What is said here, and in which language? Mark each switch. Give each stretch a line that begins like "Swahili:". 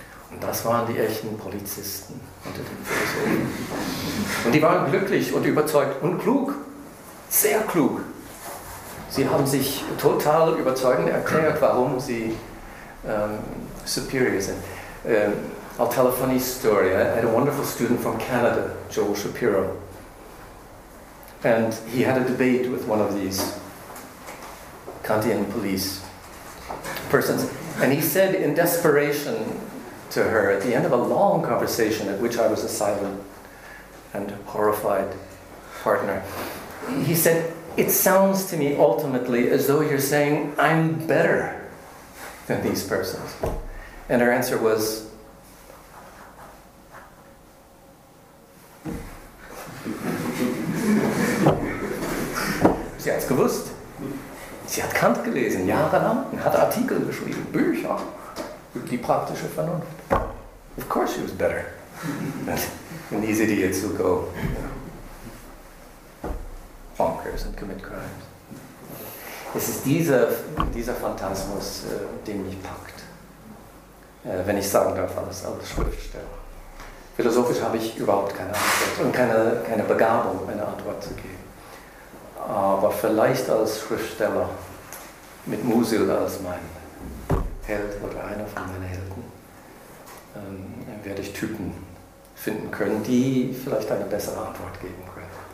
German: Und das waren die echten Polizisten unter den Philosophen. Und die waren glücklich und überzeugt und klug. Sehr klug. Sie haben sich total überzeugend erklärt, warum sie superior sind.
English: I'll tell a funny story. I had a wonderful student from Canada, Joel Shapiro. And he had a debate with one of these Kantian police persons. And he said in desperation to her, at the end of a long conversation at which I was a silent and horrified partner, he said, "It sounds to me ultimately as though you're saying I'm better than these persons." And her answer was,
German: sie hat es gewusst. Sie hat Kant gelesen, jahrelang, und hat Artikel geschrieben, Bücher über die praktische Vernunft.
English: Of course she was better than these idiots who go. Bonkers and commit crimes.
German: Es ist dieser Phantasmus, den mich packt, wenn ich sagen darf, alles als Schriftsteller. Philosophisch habe ich überhaupt keine Antwort und keine Begabung, eine Antwort zu geben. Aber vielleicht als Schriftsteller, mit Musil als mein Held oder einer von meinen Helden, werde ich Typen finden können, die vielleicht eine bessere Antwort geben können.